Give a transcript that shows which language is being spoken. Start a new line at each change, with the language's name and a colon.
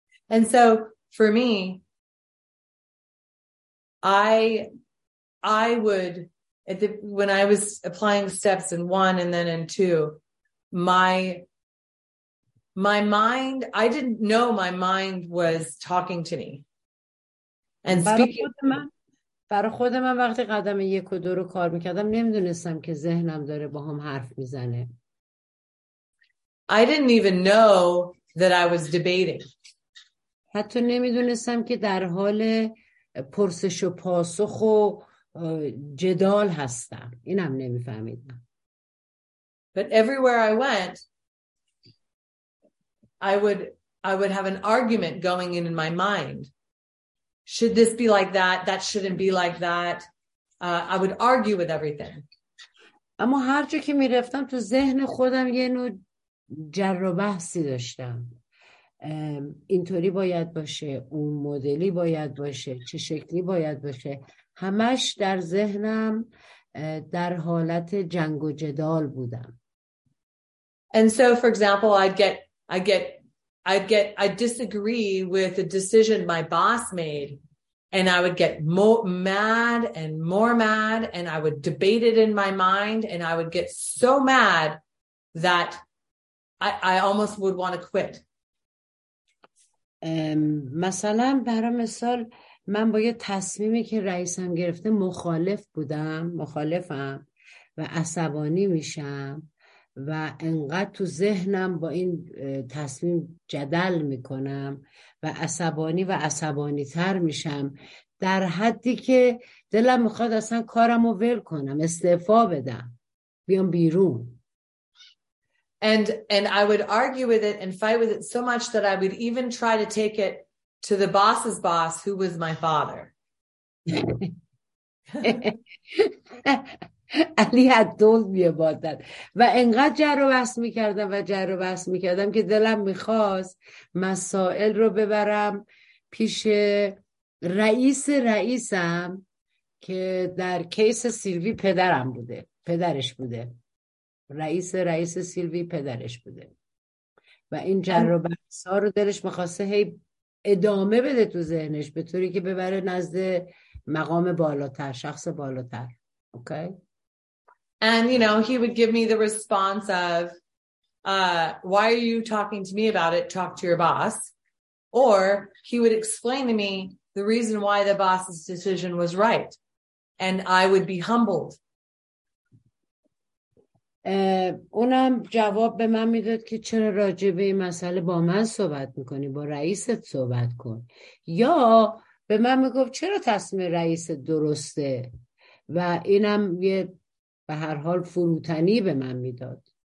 English: And so for me, I would, when I was applying steps in one and then in two, my mind, I didn't know my mind was talking to me and speaking.
Persian: برای خودم وقتی قدم یک و دو رو کار میکردم نمیدونستم که ذهنم داره با هم حرف میزنه.
English: I didn't even know that I was debating.
Persian: حتی نمیدونستم که در حال پرسش و پاسخ و جدال هستم. اینم نمیفهمیدم.
English: But everywhere I went, I would have an argument going in my mind. Should this be like that? That shouldn't be like that. I would argue with everything.
Persian: اما هر جا که میرفتم تو ذهن خودم یه نوع جر و بحثی داشتم. اینطوری باید باشه، اون مدلی باید باشه، چه شکلی باید باشه. همش در ذهنم در حالت جنگ و جدال بودم.
English: And so for example, I'd disagree with a decision my boss made, and I would get mad and more mad, and I would debate it in my mind, and I would get so mad that I almost would want to quit.
Persian: مثلا برای مثال من با یه تصمیمی که رئیسم گرفته مخالف بودم، مخالفم و عصبانی میشم و انقدر تو ذهنم با این تصمیم جدل میکنم و عصبانی و عصبانی تر میشم در حدی که دلم میخواد اصلا کارم رو ول کنم، استعفا بدم، بیام بیرون.
English: And I would argue with it and fight with it so much that I would even try to take it to the boss's boss, who was my father.
Persian: علی حد دول میبادن و انقدر جر و بس میکردم و جر و بس میکردم که دلم میخواست مسائل رو ببرم پیش رئیس رئیسم که در کیس سیلوی پدرم بوده، پدرش بوده، رئیس رئیس سیلوی پدرش بوده و این جر و بحث ها رو دلش میخواسته هی ادامه بده تو ذهنش به طوری که ببره نزد مقام بالاتر، شخص بالاتر. اوکی.
English: And you know, he would give me the response of why are you talking to me about it? Talk to your boss. Or he would explain to me the reason why the boss's decision was right. And I would be humbled.
Persian: اونم جواب به من میداد که چرا راجع به این مسئله با من صحبت میکنی، با رئیست صحبت کن، یا به من میگفت چرا تصمیم رئیست درسته، و اینم یه به هر حال فروتنی به من میداد.